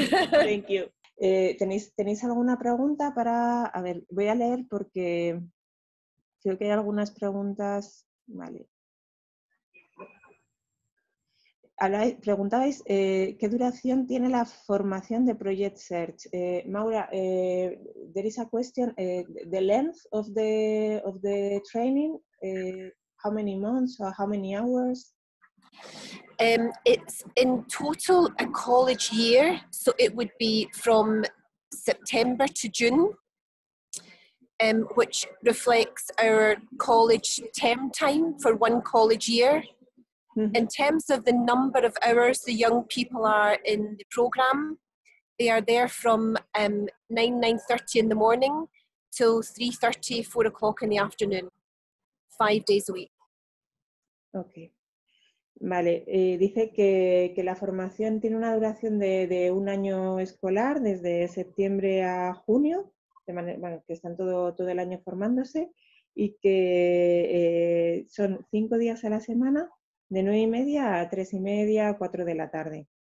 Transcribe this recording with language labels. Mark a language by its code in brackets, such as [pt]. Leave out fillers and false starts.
[en] Thank you. [es] ¿Tenéis alguna pregunta para...? A ver, voy a leer porque creo que hay algunas preguntas. Vale. Preguntabais qué duración tiene la formación de Project Search. [en] Maura, there is a question. The length of the training, how many months or how many hours? It's in total a college year, so it would be from September to June, which reflects our college term time for one college year. In terms of the number of hours the young people are in the program, they are there from 9:30 in the morning till 3:30, 4 o'clock in the afternoon, 5 days a week. Okay. [es] Vale, dice que la formación tiene una duración de un año escolar, desde septiembre a junio, de manera, bueno, que están todo el año formándose, y que son 5 días a la semana, de 9:30 a 3:30, 4 de la tarde.